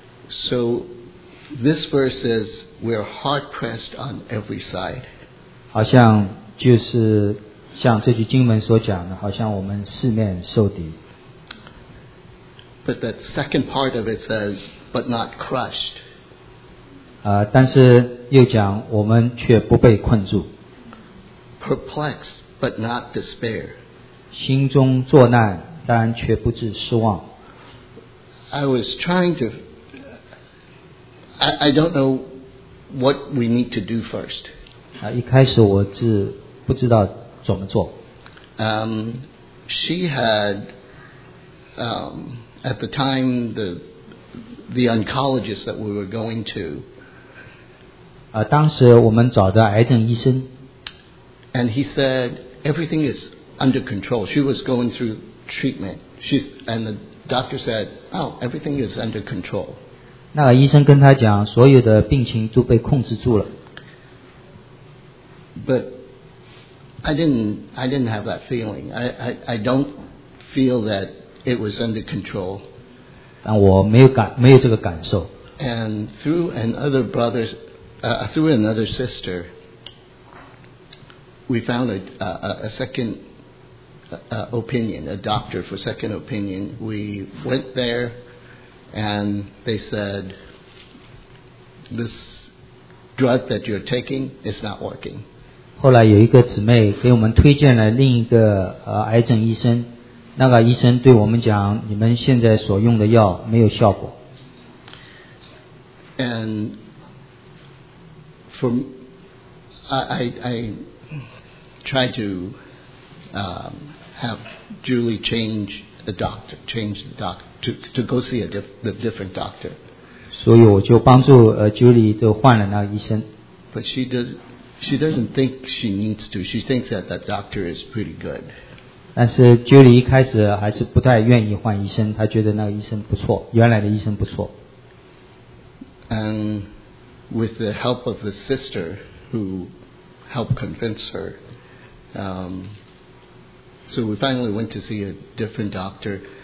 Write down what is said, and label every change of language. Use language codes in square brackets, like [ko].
[en] So this verse says we're hard pressed on every side. [zh] 好像就是像这句经文所讲的，好像我们四面受敌。 [en] But the second part of it says, but not crushed. [zh] 但是又讲我们却不被困住。 [en] Perplexed, but not despair. [zh] 心中作难，但却不致失望。 [en] I was trying to, I don't know what we need to do first. [zh] 一开始我是不知道怎么做。 [en] She had, at the time, the oncologist that we were going to, [zh] 当时我们找的癌症医生。 [en] And he said, everything is under control. She was going through treatment. And the doctor said, oh, everything is under control. [zh] 那个医生跟他讲，所有的病情都被控制住了。 [en] But I didn't have that feeling. I don't feel that it was under control. [zh] 但我没有这个感受。 [en] And through another brother's, through another sister, we found a second opinion, a doctor for second opinion. We went there, and they said, this drug that you're taking is not working. [zh] 后来有一个姊妹给我们推荐了另一个癌症医生，那个医生对我们讲，你们现在所用的药没有效果。 [en] And for I try to have Julie change the doctor, to go see the different doctor. [zh] 所以我就帮助Julie 就换了那个医生。 [en] But she doesn't think she needs to. She thinks that the doctor is pretty good. [zh] 但是 Julie 一开始还是不太愿意换医生，她觉得那个医生不错，原来的医生不错。 [en] And with the help of the sister who helped convince her, so we finally went to see a different doctor.